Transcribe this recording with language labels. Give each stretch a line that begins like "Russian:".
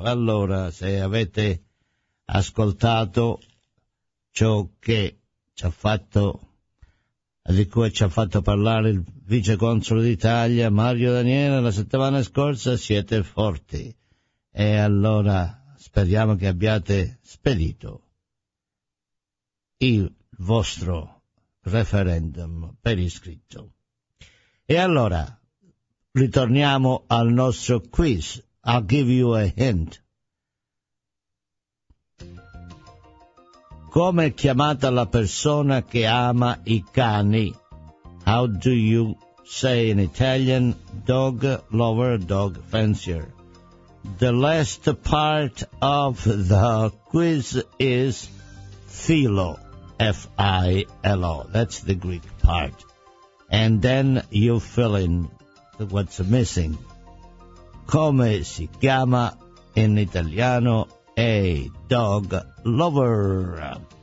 Italian: Allora, se avete ascoltato ciò che ci ha fatto, di cui ci ha fatto parlare il viceconsolo d'Italia Mario Daniele la settimana scorsa, siete forti, e allora speriamo che abbiate spedito il vostro referendum per iscritto. E allora ritorniamo al nostro quiz.
English: I'll give you a hint.
Italian: Come è chiamata la persona che ama i cani?
English: How do you say in Italian dog lover, dog fancier? The last part of the quiz is philo. F-I-L-O, that's the Greek part. And then you fill in what's missing.
Italian: Come si chiama in italiano
English: a dog lover?